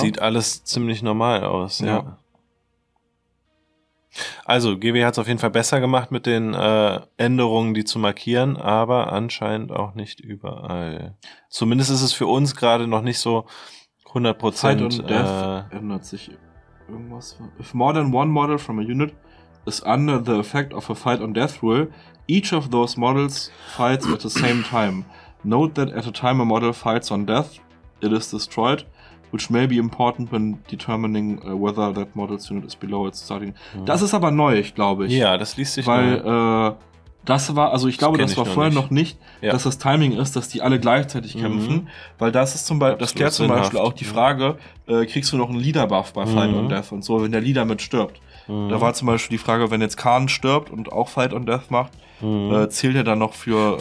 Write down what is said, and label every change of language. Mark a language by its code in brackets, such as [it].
[de] Das sieht alles ziemlich normal aus, ja. Also, GW hat es auf jeden Fall besser gemacht mit den Änderungen, die zu markieren, aber anscheinend auch nicht überall. Zumindest ist es für uns gerade noch nicht so. 100% Fight und Death ändert sich irgendwas. [en] If more than one model from a unit is under the effect of a Fight on Death rule, each of those models fights at the same time. Note that at a time a model fights on death, it is destroyed, which may be important when determining whether that model's unit is below its starting. [de] Das ist aber neu, ich glaube. Ja, das liest sich neu. Das war, also ich glaube, das war vorher noch nicht, dass das Timing ist, dass die alle gleichzeitig kämpfen, weil das ist zum Beispiel, das klärt zum Beispiel auch die Frage, kriegst du noch einen Leader-Buff bei Fight on Death und so, wenn der Leader mit stirbt. Da war zum Beispiel die Frage, wenn jetzt Khan stirbt und auch Fight on Death macht, zählt er dann noch für.